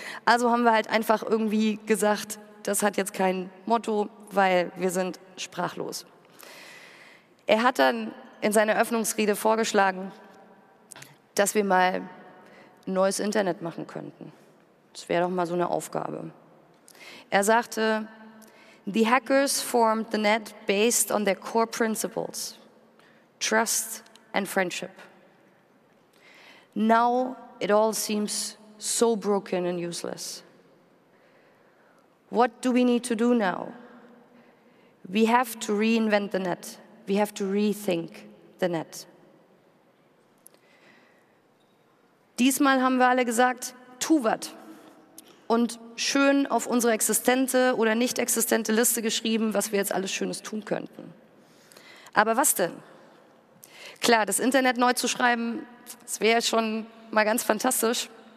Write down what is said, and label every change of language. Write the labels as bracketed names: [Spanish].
[German] Also haben wir halt einfach irgendwie gesagt, das hat jetzt kein Motto, weil wir sind sprachlos. Er hat dann in seiner Eröffnungsrede vorgeschlagen, dass wir mal ein neues Internet machen könnten. Das wäre doch mal so eine Aufgabe. Er sagte, [English] the hackers formed the net based on their core principles, trust and friendship. Now it all seems so broken and useless. What do we need to do now? We have to reinvent the net. We have to rethink the net. [German] Diesmal haben wir alle gesagt, tu wat. Und schön auf unsere existente oder nicht existente Liste geschrieben, was wir jetzt alles Schönes tun könnten. Aber was denn? Klar, das Internet neu zu schreiben, das wäre schon mal ganz fantastisch.